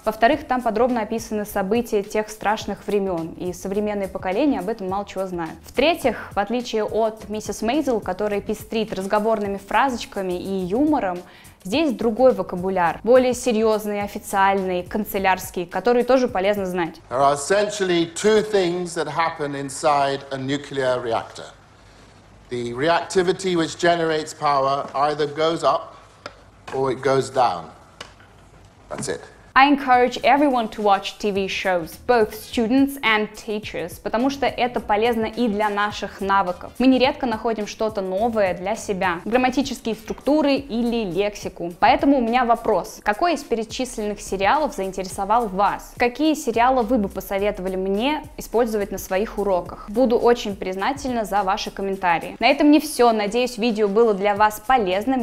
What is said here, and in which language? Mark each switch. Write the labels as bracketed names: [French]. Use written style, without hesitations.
[Russian] Во-вторых, там подробно описаны события тех страшных времен, и современные поколения об этом мало чего знают. В-третьих, в отличие от «Миссис Мейзел», которая пестрит разговорными фразочками и юмором, здесь другой вокабуляр, более серьезный, официальный, канцелярский, который тоже полезно знать. [English] There are essentially two things that happen inside a nuclear reactor. The reactivity which generates power either goes up or it goes down. That's it. I encourage everyone to watch TV shows, both students and teachers, [Russian] потому что это полезно и для наших навыков. Мы нередко находим что-то новое для себя, грамматические структуры или лексику. Поэтому у меня вопрос, какой из перечисленных сериалов заинтересовал вас? Какие сериалы вы бы посоветовали мне использовать на своих уроках? Буду очень признательна за ваши комментарии. На этом не все, надеюсь, видео было для вас полезным.